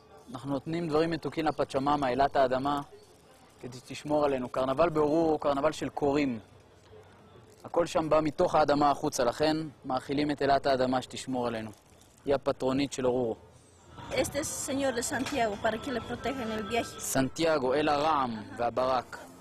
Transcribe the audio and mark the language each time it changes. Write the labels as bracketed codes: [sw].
[he] אנחנו נותנים דברים מתוקים לפצ'ממה, אילת האדמה, כדי שתשמור עלינו. קרנבל באורור הוא קרנבל של קורים. הכל שם בא מתוך האדמה החוצה, לכן מאכילים את אילת האדמה שתשמור עלינו. היא הפטרונית של אורור. [es] Este es señor de Santiago, para que le protejan el viaje. [he] Santiago, אל הרעם והברק.